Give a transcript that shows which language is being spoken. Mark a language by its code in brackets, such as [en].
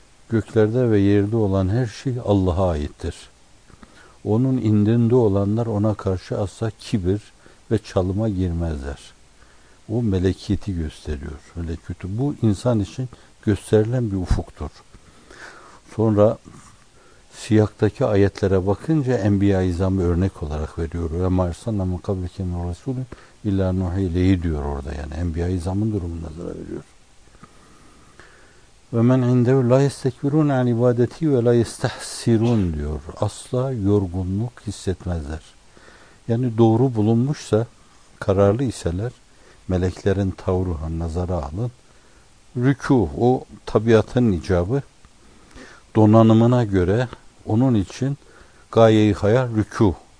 [tr] Göklerde ve yerde olan her şey Allah'a aittir. Onun indinde olanlar ona karşı asla kibir ve çalıma girmezler. O melekiyeti gösteriyor. Melekütü. Bu insan için gösterilen bir ufuktur. Sonra Siyaktaki ayetlere bakınca Enbiya-i İzam'ı örnek olarak veriyor. [ar] Ve مَا اَرْسَلْنَا مِنْ قَبْلِكَ مِنْ رَسُولٍ اِلَّا نُوحِي اِلَيْهِ [tr] diyor orada yani. Enbiya-i İzam'ın durumunu nazara veriyor. [ar] وَمَنْ عِنْدَهُ لَا يَسْتَكْبِرُونَ عَنْ اِبَادَتِهِ وَلَا يَسْتَحْسِرُونَ [tr] diyor. Asla yorgunluk hissetmezler. Yani doğru bulunmuşsa, kararlı iseler, meleklerin tavrını nazara alın. Rükû, o tabiatın icabı, donanımına göre onun için gaye-i hayal rükû.